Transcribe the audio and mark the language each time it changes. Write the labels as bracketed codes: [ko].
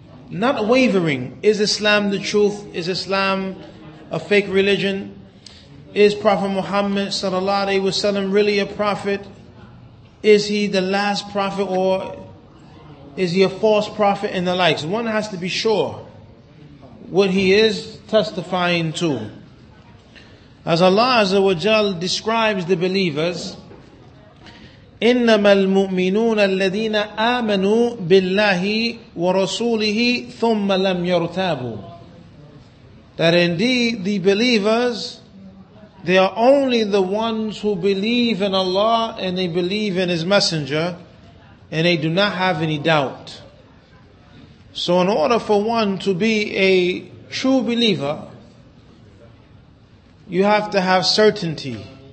[en] Not wavering. Is Islam the truth? Is Islam a fake religion? Is Prophet Muhammad sallallahu alaihi wasallam really a prophet? Is he the last prophet or is he a false prophet and the likes? One has to be sure what he is testifying to. As Allah Azza wa Jal describes the believers, [ar] إِنَّمَا الْمُؤْمِنُونَ الَّذِينَ آمَنُوا بِاللَّهِ وَرَسُولِهِ ثُمَّ لَمْ يَرْتَابُوا. [en] That indeed the believers, they are only the ones who believe in Allah and they believe in His Messenger and they do not have any doubt. So in order for one to be a true believer, you have to have certainty.